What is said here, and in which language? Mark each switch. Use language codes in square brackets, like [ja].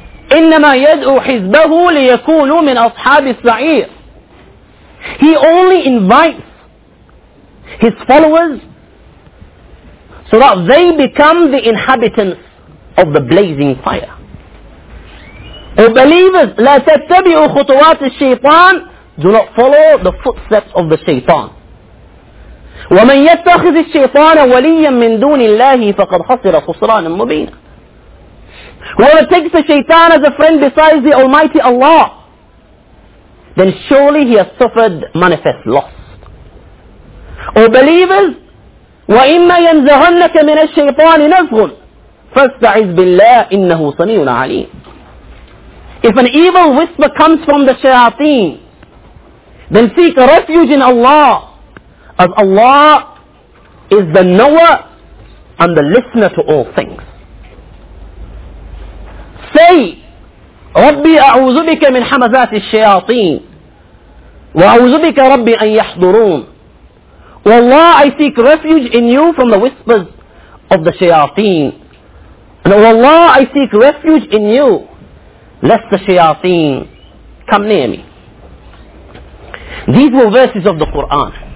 [ar] إِنَّمَا يَدْعُ حِزْبَهُ لِيَكُونُوا مِنْ أَصْحَابِ السَّعِيرِ. [en] He only invites his followers so that they become the inhabitants of the blazing fire. O believers, [ar] لا تتبعوا خطوات الشيطان. [en] Do not follow the footsteps of the shaitan. [ar] ومن يتخذ الشيطان وليا من دون الله فقد خسر خسرانا مبينا. [en] Whoever takes the shaitan as a friend besides the Almighty Allah, then surely he has suffered manifest loss. O believers, [ar] وإما ينزغنك من الشيطان نزغ فاستعذ بالله إنه سميع عليم. [en] If an evil whisper comes from the shayateen, then seek refuge in Allah, as Allah is the knower and the listener to all things. Say, [ar] Rabbi أعوذ بك من حمزات الشياطين وأعوذ بك ربي أن يحضرون. [en] Wallah, I seek refuge in you from the whispers of the shayateen. And Wallah, I seek refuge in you lest the shayateen come near me. These were verses of the Quran.